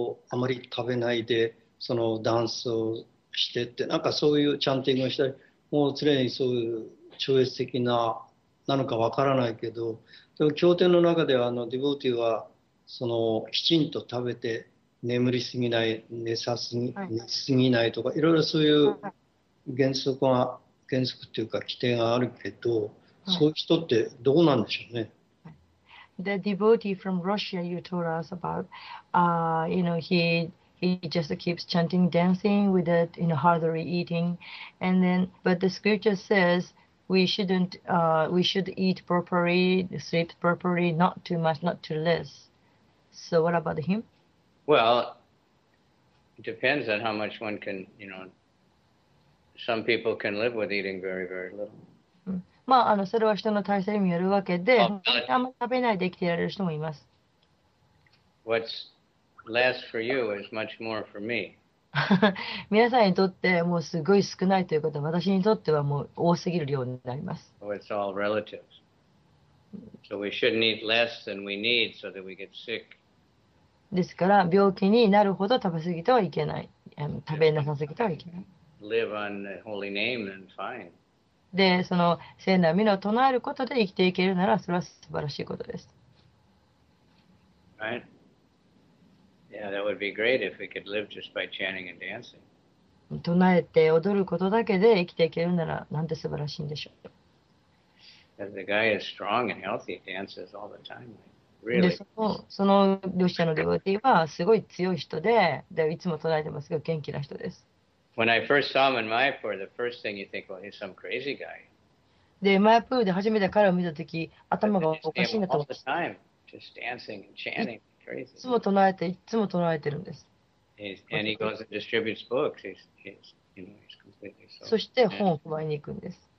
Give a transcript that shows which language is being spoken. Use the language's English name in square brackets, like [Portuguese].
[Japanese] あまり食べないでそのダンスをしてって、なんかそういうチャンティングをしたり、もう常にそういう超越的なのかわからないけど、でも経典の中ではディボーティーはそのきちんと食べて眠りすぎない、寝すぎないとか、いろいろそういう原則が、原則というか規定があるけど、そういう人ってどうなんでしょうね。 [English] The devotee from Russia you told us about, you know, he just keeps chanting, dancing with it, you know, hardly eating, and then, but the scripture says we shouldn't, we should eat properly, sleep properly, not too much, not too less. So what about him? Well, it depends on how much one can, you know. Some people can live with eating very, very little. [Japanese] まあ、それは人の体制によるわけで、あんまり食べないで生きていられる人もいます。 [English] What's less for you is much more for me. [Japanese] 皆さんにとってもうすごい少ないということは、私にとってはもう多すぎる量になります。 [English] So it's all relative. So we shouldn't eat less than we need so that we get sick. [Japanese] ですから、病気になるほど食べ過ぎてはいけない。食べなさすぎてはいけない。 [English] Live on the holy name and fine. [Japanese] で、その聖なる名を唱えることで生きていけるなら、それは素晴らしいことです。 [English] Right? Yeah, that would be great if we could live just by chanting and dancing. [Japanese] 唱えて踊ることだけで生きていけるなら、なんて素晴らしいんでしょう。 [English] As the guy is strong and healthy, dances all the time. Really? [Japanese] で、その両者のデボティはすごい強い人で、でいつも唱えてますが、元気な人です。 [English] When I first saw him in Mayapur, the first thing you think, well, he's some crazy guy. [Japanese] で、マヤプールで初めて彼を見たとき、頭がおかしいなと思った。 [English] Just dancing and chanting, crazy. [Japanese] いつも唱えて、いつも唱えてるんです。 [English] And he goes and distributes books. He's, you know, he's completely so. [Japanese] そして本を配りに行くんです。